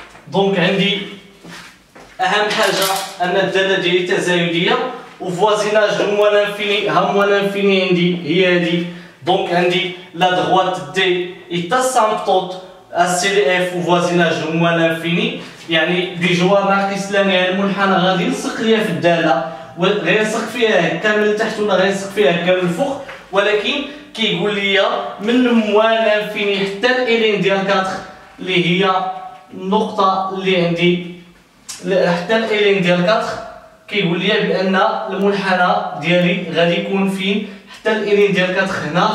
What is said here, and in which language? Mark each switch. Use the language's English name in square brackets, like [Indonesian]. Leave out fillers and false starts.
[Arabic] Donc عندي اهم حاجه ان الداله ديالي تزايديه [French] وفوازيناج موان انفيني [Arabic] هم موان انفيني عندي هي هذه. [French] Donc [Arabic] عندي [French] la droite D est asymptote à CDF ou voisinage de moins l'infini. [Arabic] يعني دي جوار ناقص لاني المنحنى غادي يلصق ليا في الداله وغادي يلصق فيها كامل تحت ولا غادي يلصق فيها كامل الفوق، ولكن كيقول لي من موان الانفيني حتى الالين ديال 4 اللي هي النقطه اللي عندي حتى الالين ديال 4 كيقول لي بان المنحنى ديالي غادي يكون فين حتى الالين ديال 4 هنا.